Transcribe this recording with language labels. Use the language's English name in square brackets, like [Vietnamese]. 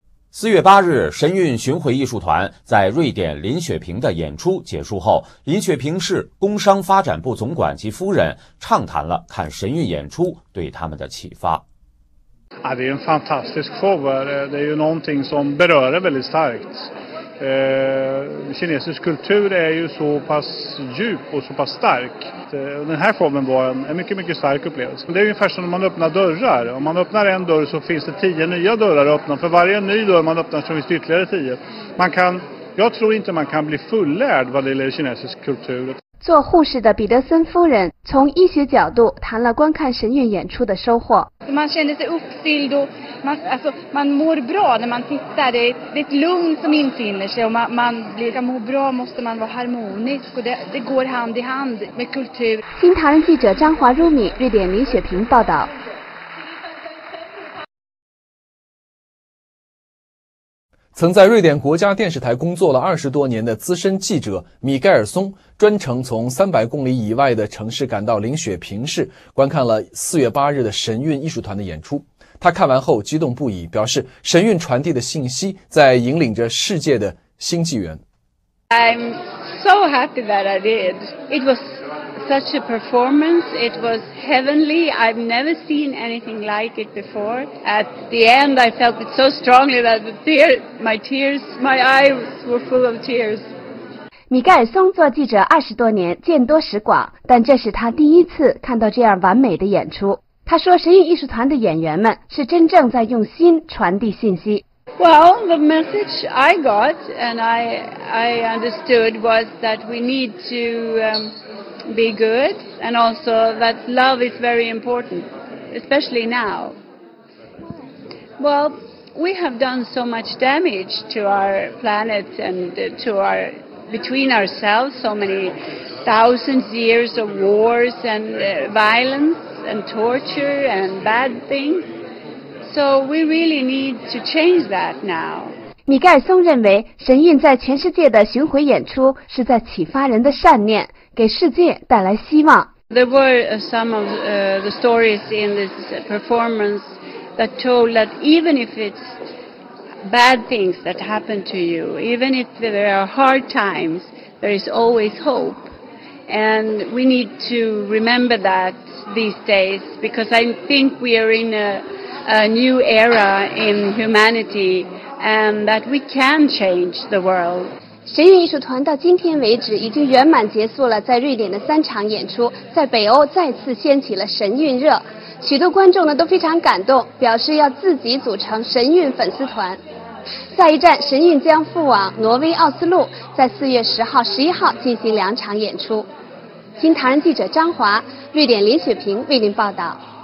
[Chinese] 4月8日神韵巡回艺术团在瑞典林雪平的演出结束后，林雪平市工商发展部总管及夫人畅谈了看神韵演出对他们的启发。 [Swedish] 啊，det är en fantastisk show. Det är ju någonting som berör väldigt starkt. Kinesisk kultur är ju så pass djup och så pass stark. Den här formen var en mycket, mycket stark upplevelse. Det är ungefär som när man öppnar dörrar. Om man öppnar en dörr så finns det 10 nya dörrar att öppna. För varje ny dörr man öppnar så finns det ytterligare 10. Jag tror inte man kan bli fullärd vad det gäller kinesisk kultur. [Chinese] 做护士的彼得森夫人从医学角度谈了观看神韵演出的收获。 [Swedish] Man känner sig uppfylld och man mår bra när man tittar. Det är ett lugn som infinner sig och man blir må bra måste man vara harmonisk. Och det går hand i hand med kultur. [Chinese] 新唐人记者张华、Rumi 瑞典林雪平报道。曾在瑞典国家电视台工作了20多年的资深记者米盖尔松专程从300公里以外的城市赶到林雪平市，观看了4月8日的神韵艺术团的演出。他看完后激动不已，表示神韵传递的信息在引领着世界的新纪元。 [English] I'm so happy that I did. It was such a performance. It was heavenly. I've never seen anything like it before. At the end, I felt it so strongly that the tear, my eyes were full of tears. [Chinese] 米盖尔松做记者20多年，见多识广，但这是他第一次看到这样完美的演出。他说，神韵艺术团的演员们是真正在用心传递信息。 [English] Well, the message I got and I understood was that we need to be good and also that love is very important, especially now. Well, we have done so much damage to our planet and to our, between ourselves, so many thousands of years of wars and violence and torture and bad things. So we really need to change that now. [Chinese] 米盖尔松认为，神韵在全世界的巡回演出是在启发人的善念，给世界带来希望。 [English] There were some of the stories in this performance that told that even if it's bad things that happen to you, even if there are hard times, there is always hope. And we need to remember that these days because I think we are in a new era in humanity, and that we can change the world. [Chinese] 神韵艺术团到今天为止已经圆满结束了在瑞典的3场演出，在北欧再次掀起了神韵热。许多观众呢都非常感动，表示要自己组成神韵粉丝团。下一站，神韵将赴往挪威奥斯陆，在4月10号、11号进行2场演出。新唐人记者张华，瑞典林雪平为您报道。